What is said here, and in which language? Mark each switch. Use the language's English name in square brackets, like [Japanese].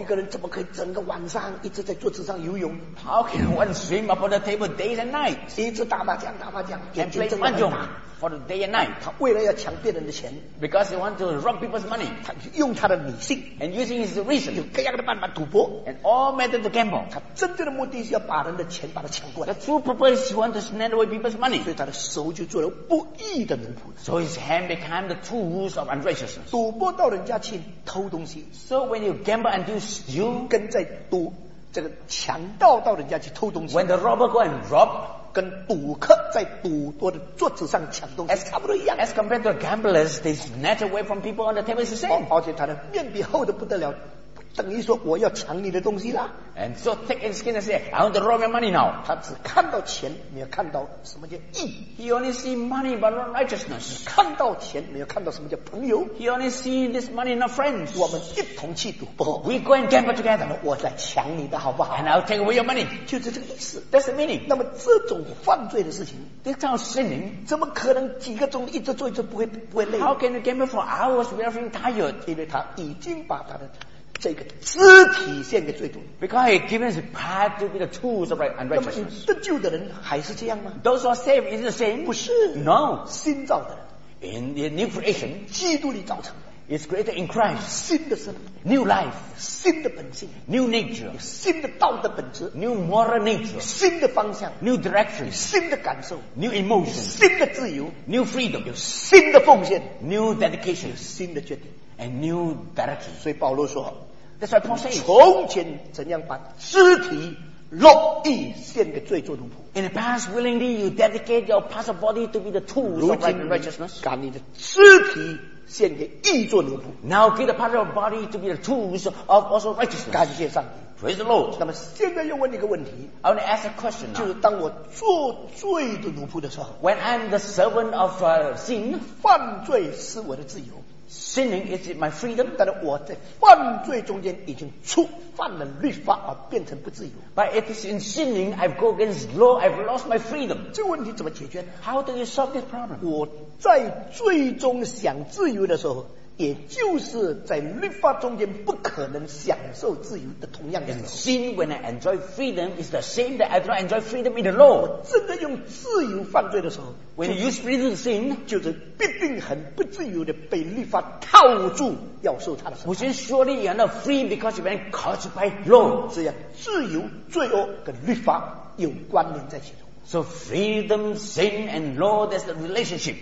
[Chinese] 一个人怎么可以整个晚上一直在桌子上游泳？ [English] How can one swim upon the table days and nights? [Chinese] 一直打麻将，打麻将。 [English] And play mahjong for the day and night. [Chinese] 他为了要抢别人的钱。 [English] Because he wants to rob people's money. [Chinese] 他用他的理性。 [English] And using his reason. [Chinese] 有各样的办法赌博。 [English] And all methods to gamble. [Chinese] 他真正的目的是要把人的钱把他抢过来。 [English] The true purpose is he wants to snatch away people's money. [Chinese] 所以他的手就做了不义的奴仆。 [English] So his hand became the tools of unrighteousness. [Chinese] 赌博到人家去偷东西。 [English] So when you gamble and you steal. [Chinese] 跟在赌这个强盗到人家去偷东西。 [English] When the robber go and rob. [Chinese] 跟赌客在赌桌的桌子上抢东西差不多一样。 [English] As compared to gamblers, they snatch away from people on the table is the same. [Chinese] 而且他的面皮厚得不得了，等于说我要抢你的东西啦。 [English] And so thick and skin and say, I want to rob your money now. [Chinese] 他只看到钱，没有看到什么叫义。 [English] He only see money but not righteousness. [Chinese] 看到钱，没有看到什么叫朋友。 [English] He only see this money not friends. [Chinese] 我们一同去赌博。 [English] We go and gamble together. [Chinese] 我来抢你的好不好？ [English] And I'll take away your money. [Chinese] 就是这个意思。 [English] That's the meaning. [Chinese] 那么这种犯罪的事情， [English] this kind of sinning, [Chinese] 怎么可能几个钟一直做一直不会累？ [English] How can you gamble for hours without being tired? [Chinese] 因为他已经把他的这个肢体献给罪毒。 [English] Because he given his part to be the tools of unrighteousness. [Chinese] 那么得救的人还是这样吗？ [English] Those who are saved is the same. [Chinese] 不是。 [English] No. [Chinese] 新造的人。 [English] In the new creation. [Chinese] 基督里造成的。 [English] Is greater in Christ. [Chinese] 新的生 [English] 命。New life. [Chinese] 新的本性。 [English] New nature. [Chinese] 新的道德本质。 [English] New moral nature. [Chinese] 新的方向。 [English] New direction. [Chinese] 新的感受。 [English] New emotion. [Chinese] 新的自由。 [English] New freedom. [Chinese] 有新的奉献。 [English] New dedication. [Chinese] 有新的决定。 [English] And new direction. [Chinese] 所以保罗说， [English] That's why Paul says, [Chinese] 从前怎样把肢体乐意献给罪做奴仆。 [English] In the past, willingly you dedicate your part of body to be the tools of righteousness. [Chinese] 如今把你的肢体献给义做奴仆。 [English] Now give the part of body to be the tools of also righteousness. [Chinese] 感谢上帝。 [English] Praise the Lord. [Chinese] 那么现在又问一个问题。 [English] I want to ask a question now. [Chinese] 就是当我做罪的奴仆的时候。 [English] When I'm the servant of sin. [Chinese] 犯罪是我的自由。 [English] Sinning is my freedom. [Chinese] 但是我在犯罪中间已经触犯了律法而变成不自由。 [English] But it is in sinning I've go against law, I've lost my freedom. [Chinese] 这个问题怎么解决呢？ [English] How do you solve this problem? [Chinese] 我在罪中想自由的时候，也就是在律法中间不可能享受自由的同样的时候。 [English] And sin when I enjoy freedom is the same that I don't enjoy freedom in the law. [Chinese] 我真的用自由犯罪的时候， [English] When you use freedom to sin, [Chinese] 就是必定很不自由的被律法套住要受他的时候。 [English] Which is surely you are not free because you've been caught by law. [Chinese] 这样自由罪恶跟律法有关联在其中。 [English] So freedom, sin and law, there's the relationship.